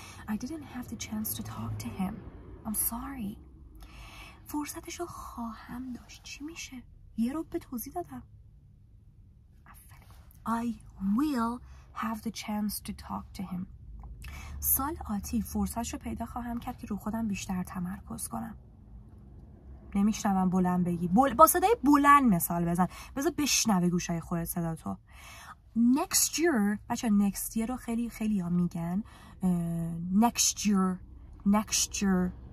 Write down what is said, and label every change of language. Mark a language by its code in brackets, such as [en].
[en] I didn't have the chance to talk to him. I'm sorry. [fa] فرصتشو خواهم داشت. چی میشه؟ یه رو به توضیح دادم. [en] I will have the chance to talk to him. [fa] سال آتی فرصتشو پیدا خواهم کرد که رو خودم بیشتر تمرکز کنم. نمیشنوم بلند بگی. با صدای بلند مثال بزن. بذار بشنوه گوشای خودت صدا تو. next year، بچه next year رو خیلی خیلی ها میگن next year، next year.